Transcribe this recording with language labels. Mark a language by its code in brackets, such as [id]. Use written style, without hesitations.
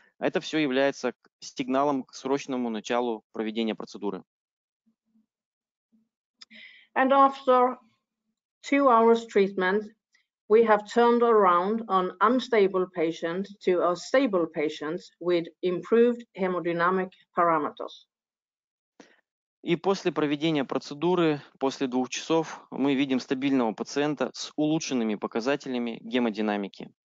[ru] Это все является сигналом к срочному началу проведения процедуры. [en] And after 2 hours treatment, we have turned around an unstable patient to a stable patient with improved hemodynamic parameters. [ru] И после проведения процедуры, после 2 часов, мы видим стабильного пациента с улучшенными показателями гемодинамики.